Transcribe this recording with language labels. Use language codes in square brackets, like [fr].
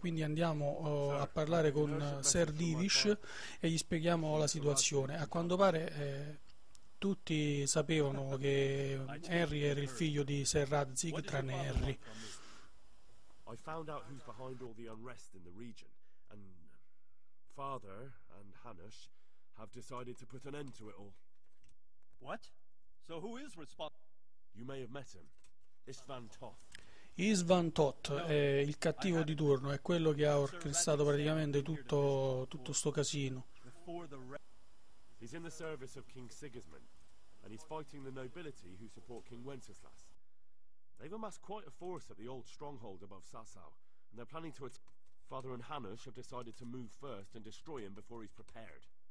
[it] Quindi andiamo a parlare con Ser Divish e gli spieghiamo la situazione. A quanto pare tutti sapevano che Harry era il figlio di Ser Radzig, tranne Harry. [en] I found out who's behind all the unrest in the region, and father and Hanush have decided to put an end to it all. What? So who is responsible? You may have met him. Istvan Toth. [it] Istvan Toth è il cattivo di turno, è quello che ha orchestrato praticamente tutto sto casino. [en] He's in the service of King Sigismund, and he's fighting the nobility who support King Wenceslas. They've amassed quite a force at the old stronghold above Sassau, and they're planning to attack. Father and Hanush have decided to move first and destroy him before he's prepared.